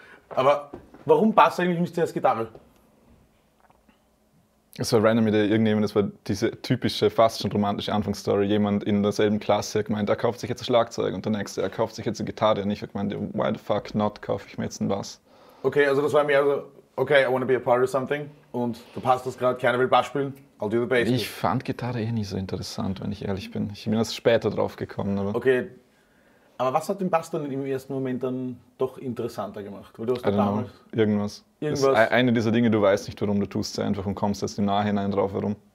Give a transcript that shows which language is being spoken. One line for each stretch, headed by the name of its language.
German: Aber warum Bass eigentlich nicht zuerst Gitarre? Es war random mit irgendjemandem, das war diese typische, fast schon romantische Anfangsstory. Jemand in derselben Klasse hat gemeint, er kauft sich jetzt ein Schlagzeug und der nächste, er kauft sich jetzt eine Gitarre. Und ich habe gemeint,
English: why the fuck not,
German: kaufe ich mir jetzt einen Bass? Okay, also das war mir also, okay,
English: I want to be a part of something.
German: Und du passt das gerade, keiner will Bass spielen,
English: I'll do the bass.
German: Ich fand Gitarre eh nicht so interessant, wenn ich ehrlich bin. Ich bin erst später drauf gekommen. Aber okay. Aber was hat den Bass dann im ersten Moment dann doch interessanter gemacht? Weil du hast damals irgendwas. Ist eine dieser Dinge, du weißt nicht, warum du tust es einfach und kommst erst im Nachhinein drauf herum.